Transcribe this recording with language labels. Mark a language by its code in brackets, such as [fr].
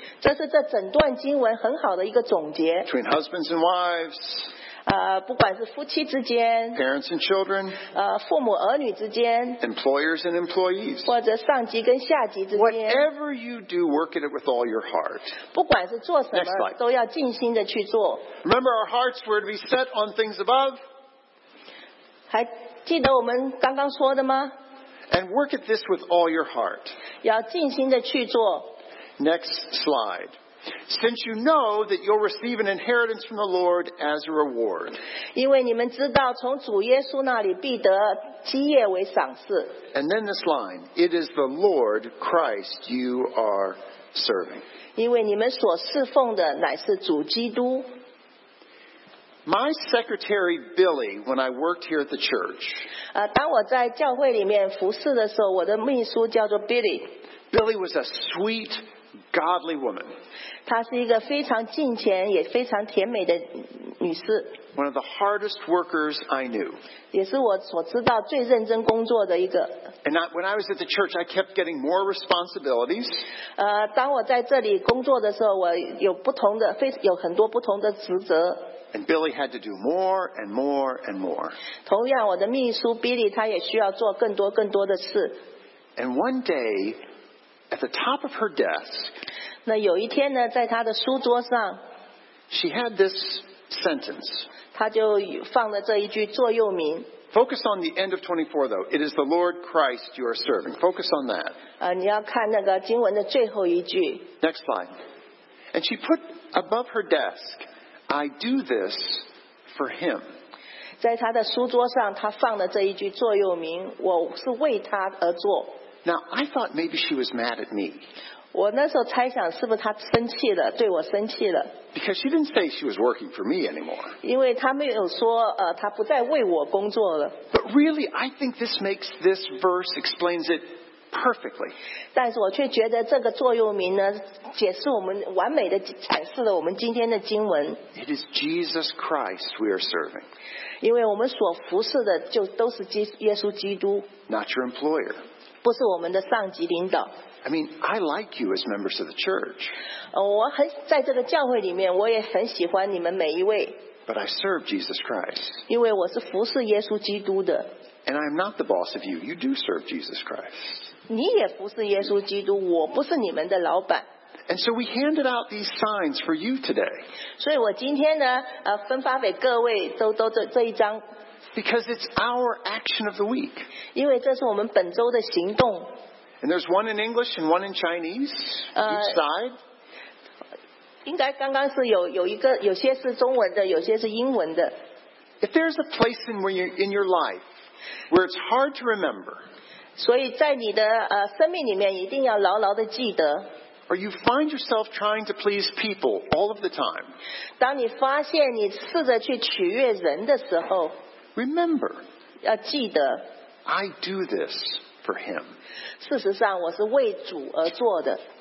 [zh] 这是这整段经文很好的一个总结。 [en] Between husbands and wives. [zh] 不管是夫妻之间。 [en] Parents and children. [zh] 父母儿女之间。 [en] Employers and employees. [zh] 或者上级跟下级之间。 [en] Whatever you do, work at it with all your heart. [zh] 不管是做什么，都要尽心的去做。 [en] Remember, our hearts were to be set on things above. [zh] 还记得我们刚刚说的吗？ [en] And work at this with all your heart. [zh] 要尽心的去做。 [en] Next slide. Since you know that you'll receive an inheritance from the Lord as a reward. [zh] 因为你们知道从主耶稣那里必得基业为赏赐。 [en] And then this line, it is the Lord Christ you are serving. [zh] 因为你们所侍奉的乃是主基督。 [en] My secretary Billy, when I worked here at the church, [zh] 当我在教会里面服侍的时候，我的秘书叫做 Billy。 [en] Billy was a sweet godly woman. [zh] 她是一个非常敬虔也非常甜美的女士。 [en] One of the hardest workers I knew. [zh] 也是我所知道最认真工作的一个。 [en] And when I was at the church, I kept getting more responsibilities. [zh] 当我在这里工作的时候，我有不同的有很多不同的职责。 [en] And Billy had to do more and more and more. [zh] 同样，我的秘书 Billy 她也需要做更多更多的事。 [en] And one day. At the top of her desk, [zh] 那有一天呢，在她的书桌上 [en] ，she had this sentence. [zh] 她就放了这一句座右铭。 [en] Focus on the end of 24, though. It is the Lord Christ you are serving. Focus on that. [zh] 你要看那个经文的最后一句。 [en] Next slide. And she put above her desk, "I do this for Him." [zh] 在她的书桌上，她放了这一句座右铭：我是为他而做。 [en] Now I thought maybe she was mad at me. [zh] 我那时候猜想是不是她生气了，对我生气了。 [en] Because she didn't say she was working for me anymore. [zh] 因为她没有说她不再为我工作了。 [en] But really, I think this makes this verse explains it perfectly. [zh] 但是我却觉得这个座右铭呢，解释我们完美的阐释了我们今天的经文。 [en] It is Jesus Christ we are serving. [zh] 因为我们所服侍的就都是耶稣基督。 [en] Not your employer. [zh] 不是我们的上级领导。 [en] I mean, I like you as members of the church. [zh] 我很在这个教会里面，我也很喜欢你们每一位。 [en] But I serve Jesus Christ. [zh] 因为我是服侍耶稣基督的。 [en] And I'm not the boss of you. You do serve Jesus Christ. [zh] 你也服侍耶稣基督，我不是你们的老板。 [en] And so we handed out these signs for you today. [zh] 所以我今天呢，分发给各位都这一张。 [en] Because it's our action of the week. [zh] 因为这是我们本周的行动。 [en] And there's one in English and one in Chinese. Each side. [zh] 应该刚刚是有一个有些是中文的，有些是英文的。 [en] If there's a place in your life where it's hard to remember. [zh] 所以在你的生命里面一定要牢牢的记得。 [en] Or you find yourself trying to please people all of the time. [zh] 当你发现你试着去取悦人的时候。 [en] Remember, [zh] 要记得 [en] I do this for him. [zh] 事实上，我是为主而做的。